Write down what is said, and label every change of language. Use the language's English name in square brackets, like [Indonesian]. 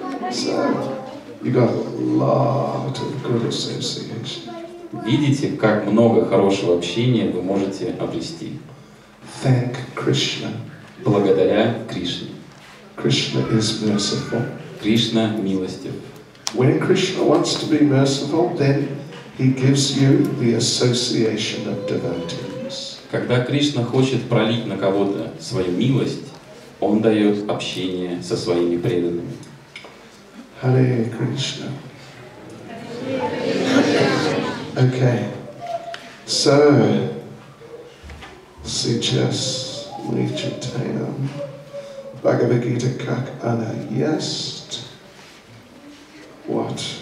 [English] So, you got a lot of good associations. [Russian] Видите, как много хорошего общения вы можете обрести. [English] Thank Krishna. [Russian] Благодаря Кришне. [English] Krishna is merciful. [Russian] Кришна милостив. [English] When Krishna wants to be merciful, then he gives you the association of devotees. [Russian] Когда Кришна хочет пролить на кого-то свою милость, он дает общение со своими преданными. [English] Hare Krishna. Okay. So, suggests Nichitayam Bhagavad Gita [Russian] как она есть. [English] What?